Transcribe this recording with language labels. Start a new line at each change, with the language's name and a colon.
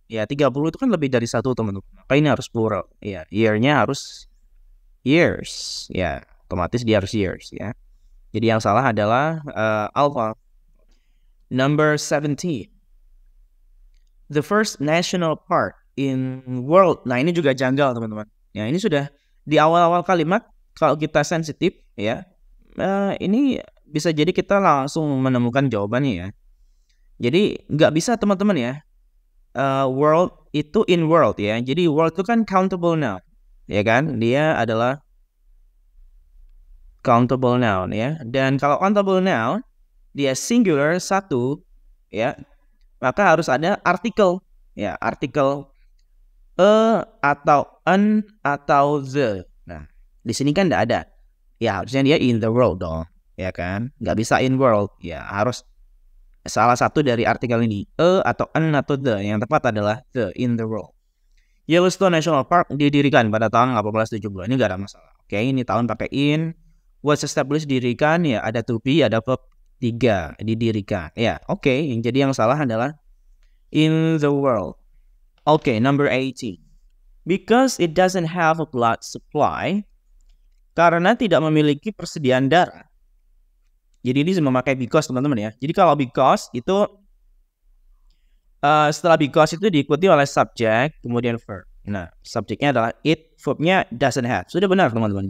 Indonesian: Ya, 30 itu kan lebih dari satu teman-teman. Maka ini harus plural. Ya, year-nya harus years. Ya, otomatis dia harus years ya. Jadi yang salah adalah alpha.
English: Number 17. The first national park in world.
Indonesian: Nah, ini juga janggal, teman-teman. Ya, ini sudah di awal-awal kalimat. Kalau kita sensitif, ya. Ini bisa jadi kita langsung menemukan jawabannya, ya. Jadi, nggak bisa, teman-teman, ya. World itu in world, ya. Jadi, world itu kan countable noun. Ya kan? Dia adalah countable noun, ya. Dan kalau countable noun, dia singular satu, ya. Maka harus ada artikel. Ya, artikel a atau an atau the. Nah, di sini kan enggak ada. Ya, harusnya dia in the world dong, ya kan? Enggak bisa in world. Ya, harus salah satu dari artikel ini, a atau an atau the. Yang tepat adalah the, in the world. Yellowstone National Park didirikan pada tahun 1870. Ini enggak ada masalah. Oke, ini tahun pakai in. Was established, didirikan, ya ada to be, ada verb 3, didirikan. Ya, oke, yang jadi yang salah adalah in the world.
English: Okay, number 18. Because it doesn't have a blood supply.
Indonesian: Karena tidak memiliki persediaan darah. Jadi ini memakai because, teman-teman, ya. Jadi kalau because itu setelah because itu diikuti oleh subject kemudian verb. Nah, subjeknya adalah it, verbnya doesn't have. Sudah benar, teman-teman.